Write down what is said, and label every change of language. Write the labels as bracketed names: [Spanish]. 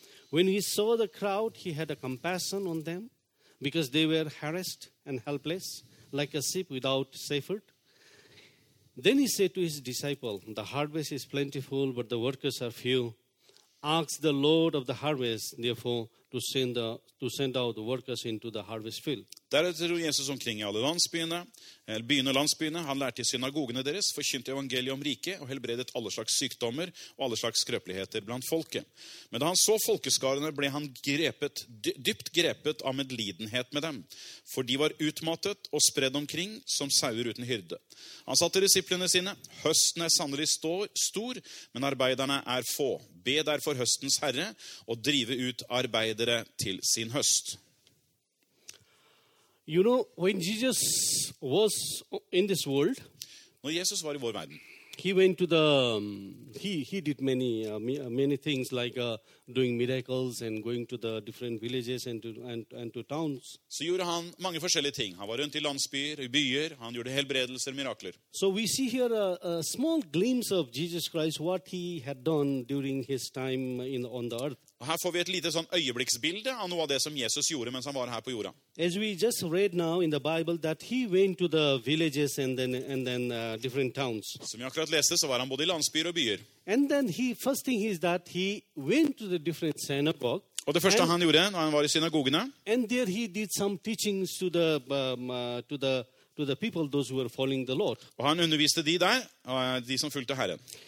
[English] When he saw the crowd, he had a compassion on them, because they were harassed and helpless, like a sheep without shepherd. Then he said to his disciple, the harvest is plentiful, but the workers are few. Ask the Lord of the harvest, therefore, to send out the workers into the harvest field. [Norwegian] Deretter dro Jesus omkring I alle landsbyene, eller byene og landsbyene. Han lærte I synagogene deres, forkynte evangeliet om riket, og helbredet alle slags sykdommer og alle slags skrøpeligheter blant folket. Men da han så folkeskarene, ble han dypt grepet av medlidenhet med dem, for de var utmattet og spredt omkring som sauer uten hyrde. Han sa til disiplene sine, høsten sannelig stor, men arbeiderne få. Be derfor høstens herre og drive ut arbeidere til sin høst. [English] You know, when Jesus was in this world, [Norwegian] når Jesus var I vår verden, [English] he went to the he did many things like doing miracles and going to the different villages and to towns. [Norwegian] Så gjorde han mange forskjellige ting. Han var rundt I landsbyer, I byer. Han gjorde helbredelser, mirakler. [English] So we see here a small glimpse of Jesus Christ, what he had done during his time on the earth. [Norwegian] Og her får vi et lite sånn øyeblikksbilde av noe av det som Jesus gjorde mens han var her på jorda. [English] As we just read now in the Bible that he went to the villages and then different towns. [Norwegian] Som jeg akkurat leste så var han både I landsbyer og byer. [English] And then he first thing is that he went to the different synagogues. [Norwegian] Og det første han gjorde når han var I synagogene. [English] And there he did some teachings to the to the people those who were following the Lord. [Norwegian] Og han underviste de der og de som fulgte Herren.